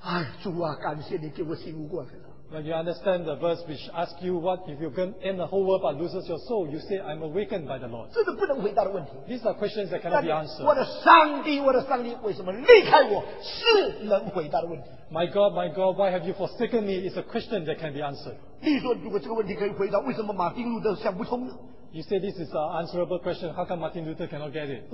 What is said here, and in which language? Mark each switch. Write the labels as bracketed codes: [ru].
[zh] 我塞在惶惶牢牢苦苦要得全世界，什么用？我若得到世界失去灵魂有什么益处呢？哎，主啊，感谢你给我醒悟过来。 [en] When you understand the verse which asks you, what if you can end the whole world but loses your soul, you say, I'm awakened by the Lord. [zh] 这是不能回答的问题。 [en] These are questions that cannot be answered. [zh] 我的上帝，我的上帝，为什么离开我？是能回答的问题。 [en] my God, why have you forsaken me? It's a question that can be answered. [zh] 例如说，如果这个问题可以回答, 为什么马丁路德想不通呢？ [en] You say this is an answerable question. How come Martin Luther cannot get it?